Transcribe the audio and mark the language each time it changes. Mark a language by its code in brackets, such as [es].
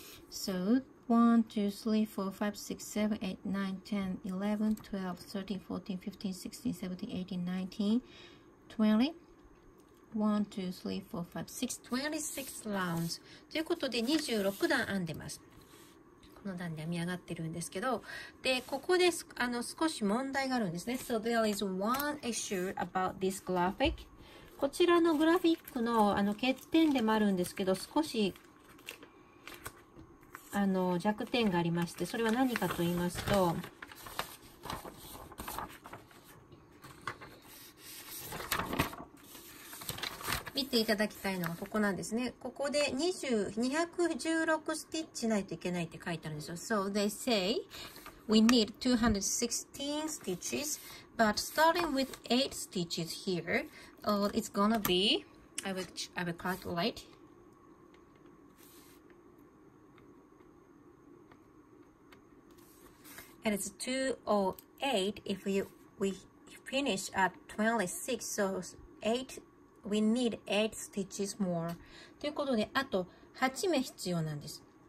[en] So, 1, 2, 3, 4, 5, 6, 7, 8, 9, 10, 11, 12, 13, 14, 15, 16, 17, 18, 19, 20. 1, 2, 3, 4, 5, 6, 26 rounds. [ja] ということで、26段編んでます。この段で編み上がってるんですけど、で、ここで少し問題があるんですね。 [en] So, there is one issue about this graphic. [ja] こちらのグラフィックの欠点でもあるんですけど、少し弱点がありまして、それは何かと言いますと、見ていただきたいのはここなんですね。ここで216スティッチないといけないって書いてあるんですよ。 [en] So they say we need 216 stitches, but starting with 8 stitches here,it's gonna be, I will calculate. And it's 208 if we finish at 26, so 8, we need 8 stitches more. [ja] ということで、あと8目必要なんです。